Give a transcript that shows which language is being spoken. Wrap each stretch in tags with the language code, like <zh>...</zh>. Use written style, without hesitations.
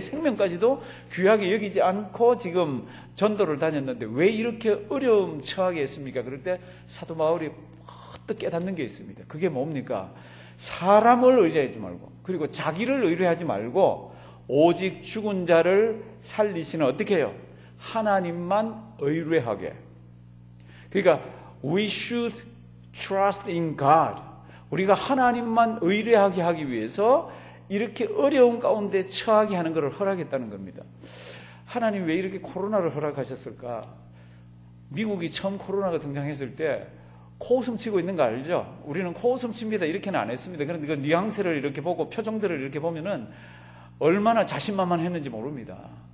<ko>내 생명까지도 귀하게 여기지 않고 지금 전도를 다녔는데 왜 이렇게 어려움 처하게 했습니까? 그럴 때 사도 바울이 헛뜻 깨닫는 게 있습니다. 그게 뭡니까? 사람을 의지하지 말고 그리고 자기를 의뢰하지 말고 오직 죽은 자를 살리시는 어떻게 해요? 하나님만 의뢰하게. 그러니까</ko> <en>we should trust in God.</en> <ko>우리가 하나님만 의뢰하게 하기 위해서 이렇게 어려운 가운데 처하게 하는 것을 허락했다는 겁니다. 하나님 왜 이렇게 코로나를 허락하셨을까? 미국이 처음 코로나가 등장했을 때 코웃음치고 있는 거 알죠? 우리는 코웃음칩니다 이렇게는 안 했습니다. 그런데 그 뉘앙스를 이렇게 보고 표정들을 이렇게 보면은 얼마나 자신만만했는지 모릅니다.</ko>